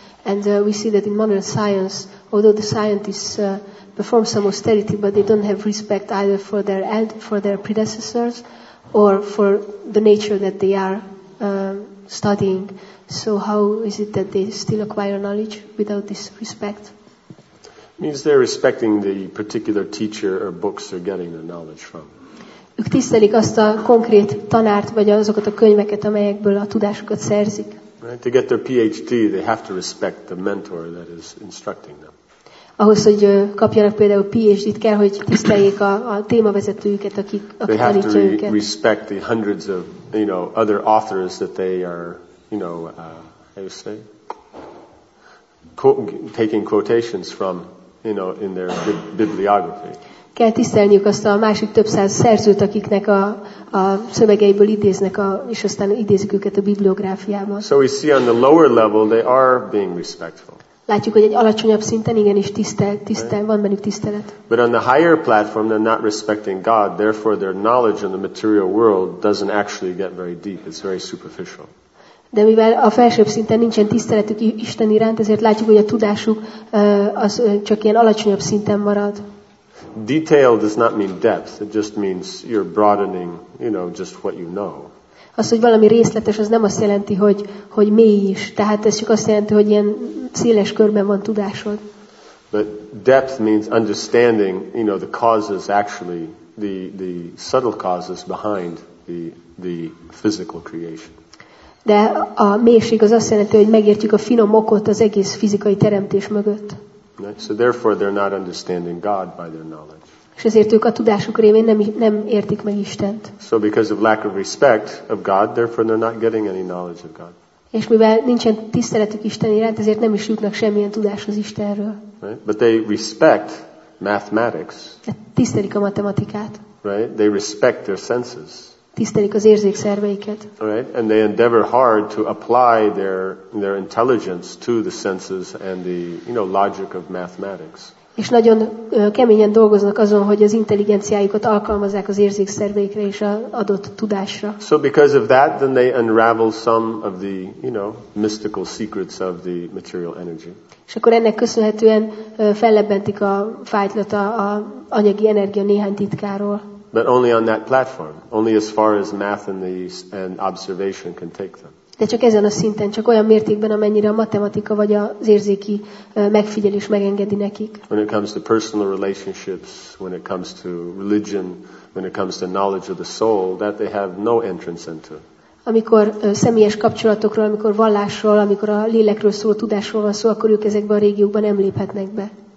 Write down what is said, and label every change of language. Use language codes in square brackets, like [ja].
[en] And we see that in modern science, although the scientists perform some austerity, but they don't have respect either for their elders, for their predecessors, or for the nature that they are studying. So how is it that they still acquire knowledge without this respect? means they're respecting the particular teacher or books they're getting their knowledge from. [hu] Ők tisztelik azt a konkrét tanárt vagy azokat a könyveket, amelyekből a tudásukat szerzik. [en] Right, to get their PhD, they have to respect the mentor that is instructing them. [hu] Ahhoz, hogy kapjanak például PhD-t, kell, hogy tiszteljék a témavezetőjüket, akik tanítja őket. [en] They have to respect the hundreds of, you know, other authors that they are, you know, how you say, taking quotations from, you know, in their bibliography. [hu] Kell tisztelniük azt a másik több száz szerzőt, akiknek a szövegeiből idéznek, és aztán idézik őket a bibliográfiában. [en] So we see on the lower level they are being respectful. [hu] Látjuk, hogy egy alacsonyabb szinten igenis tisztel, van bennük tisztelet. [en] But on the higher platform they're not respecting God, therefore their knowledge in the material world doesn't actually get very deep, it's very superficial. [hu] De mivel a felsőbb szinten nincsen tiszteletük Isten iránt, ezért látjuk, hogy a tudásuk az csak ilyen alacsonyabb szinten marad. [en] Detail does not mean depth, it just means you're broadening, you know, just what you know. [hu] Az, hogy valami részletes, az nem azt jelenti, hogy mély is. Tehát ez csak azt jelenti, hogy ilyen széles körben van tudásod. [en] But depth means understanding, you know, the causes actually, the subtle causes behind the physical creation. [hu] De a mélység az azt jelenti, hogy megértjük a finom okot az egész fizikai teremtés mögött. [en] So therefore they're not understanding God by their knowledge. [hu] És ezért ők a tudásuk révén nem értik meg Istent. [en] So because of lack of respect of God, therefore they're not getting any knowledge of God. [hu] És mivel nincsen tiszteletük Isten iránt, ezért nem is jutnak semmilyen tudáshoz Istenről. [en] Right? But they respect mathematics. [hu] Tisztelik a matematikát. [en] Right? They respect their senses. [hu] Tisztelik az érzékszerveiket. [en] Right? And they endeavor hard to apply their intelligence to the senses and the, you know, logic of mathematics. [hu] És nagyon keményen dolgoznak azon, hogy az intelligenciájukat alkalmazzák az érzékszerveikre és az adott tudásra. [en] So because of that, then they unravel some of the, you know, mystical secrets of the material energy. [hu] És akkor ennek köszönhetően fellebbentik a fájtlat a anyagi energia néhány titkáról. [en] But only on that platform, only as far as math and observation can take them. [hu] De csak ezen a szinten, csak olyan mértékben, amennyire a matematika vagy az érzéki megfigyelés megengedi nekik. [en] When it comes to personal relationships, when it comes to religion, when it comes to knowledge of the soul, that they have no entrance into. [hu] Amikor személyes kapcsolatokról, amikor vallásról, amikor a lélekről szól, tudásról van szó, akkor ők ezekben a régiókban nem léphetnek be.